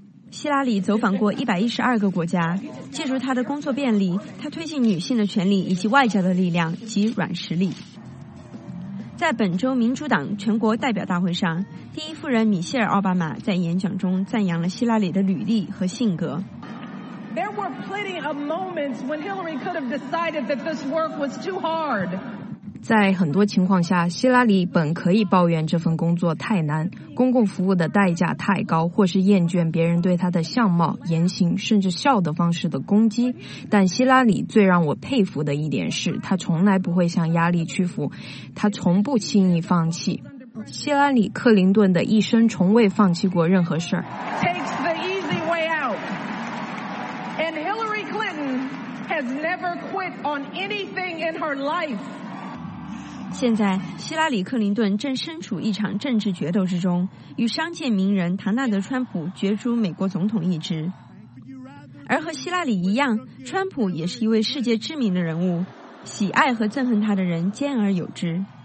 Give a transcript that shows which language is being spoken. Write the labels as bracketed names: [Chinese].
[Chinese] 希拉里走访过112个国家，借助他的工作便利，他推进女性的权利以及外交的力量及软实力。在本周民主党全国代表大会上，第一夫人米歇尔·奥巴马在演讲中赞扬了希拉里的履历和性格。 [English] There were plenty of moments when Hillary could have decided that this work was too hard. [Chinese] 在很多情况下，希拉里本可以抱怨这份工作太难，公共服务的代价太高，或是厌倦别人对她的相貌、言行甚至笑的方式的攻击。但希拉里最让我佩服的一点是，她从来不会向压力屈服，她从不轻易放弃。希拉里·克林顿的一生从未放弃过任何事儿。 [English] Takes the easy way out. And Hillary Clinton has never quit on anything in her life. [Chinese] 现在希拉里·克林顿正身处一场政治决斗之中，与商界名人唐纳德·川普角逐美国总统一职。而和希拉里一样，川普也是一位世界知名的人物，喜爱和憎恨他的人兼而有之。